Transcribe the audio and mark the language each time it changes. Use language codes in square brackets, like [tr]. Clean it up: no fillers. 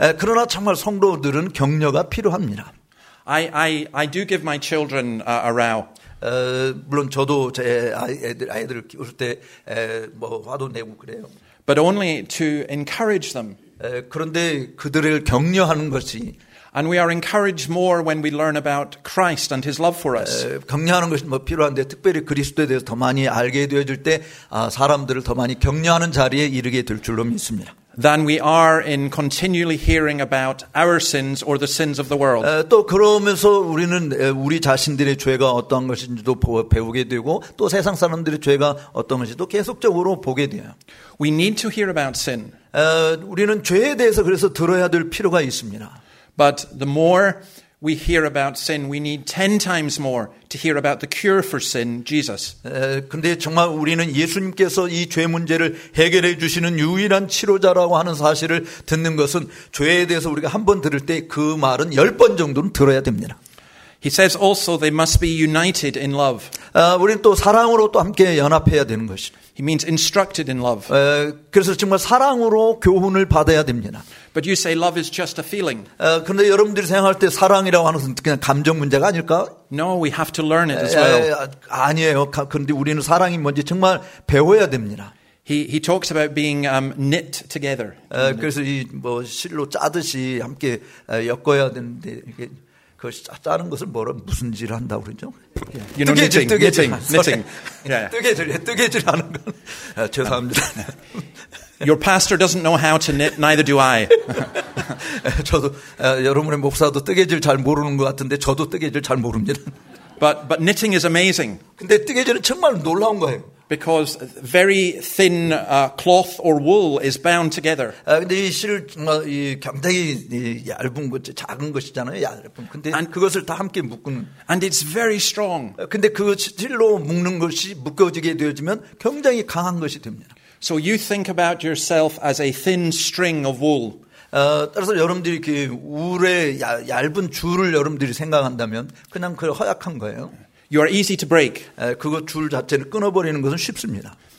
[ko] 그러나 정말 성도들은 격려가 필요합니다. [en] I do give my children a row. [ko] 물론 저도 제 아이들을 키울 때 뭐 화도 내고 그래요. [en] But only to encourage them. [ko] 그런데 그들을 격려하는 것이. [en] And we are encouraged more when we learn about Christ and His love for us. [ko] 격려하는 것이 뭐 필요한데 특별히 그리스도에 대해서 더 많이 알게 되어질 때 사람들을 더 많이 격려하는 자리에 이르게 될 줄로 믿습니다. [en] Than we are in continually hearing about our sins or the sins of the world. [ko] 또 그러면서 우리는 우리 자신들의 죄가 어떤 것인지도 배우게 되고 또 세상 사람들의 죄가 어떤 것인지도 계속적으로 보게 돼요. [en] We need to hear about sin. [ko] 우리는 죄에 대해서 그래서 들어야 될 필요가 있습니다. [en] But the more we hear about sin, we need 10 times more to hear about the cure for sin, Jesus. [ko] 근데 정말 우리는 예수님께서 이 죄 문제를 해결해 주시는 유일한 치료자라고 하는 사실을 듣는 것은 죄에 대해서 우리가 한 번 들을 때 그 말은 10번 정도는 들어야 됩니다. [en] He says also they must be united in love. [ko] 우리는 또 사랑으로 또 함께 연합해야 되는 것이죠. [en] He means instructed in love. [ko] 그래서 정말 사랑으로 교훈을 받아야 됩니다. [en] But you say love is just a feeling. [ko] 근데 여러분들이 생각할 때 사랑이라고 하는 것은 그냥 감정 문제가 아닐까? [en] No, we have to learn it as well. [ko] 아니에요. 그런데 우리는 사랑이 뭔지 정말 배워야 됩니다. [en] He talks about being knit together. [ko] 그래서 이 뭐 실로 짜듯이 함께 엮어야 되는데 이게 그것이 짜는 것을 뭐라 무슨지를 한다 그러죠? 뜨개질, 뜨개질, 뜨개질, 뜨개질 하는 건 죄송합니다. [en] Your pastor doesn't know how to knit, neither do I. [ko] 저도 여러분의 목사도 뜨개질 잘 모르는 것 같은데 저도 뜨개질 잘 모릅니다. [en] But knitting is amazing. [ko] 근데 뜨개질은 정말 놀라운 거예요. [en] Because very thin cloth or wool is bound together. [ko] 근데 이 실 이 굉장히 얇은 것, 작은 것이잖아요, 얇은. 근데 and, 그것을 다 함께 묶은. [en] And it's very strong. [ko] 근데 그 실로 묶는 것이 묶어지게 되어지면 굉장히 강한 것이 됩니다. [en] So you think about yourself as a thin string of wool. [ko] 따라서 여러분들이 그 울의 얇은 줄을 여러분들이 생각한다면 그냥 그 허약한 거예요. [en] You are easy to break. [ko] 그거 줄 자체를 끊어버리는 것은 쉽습니다.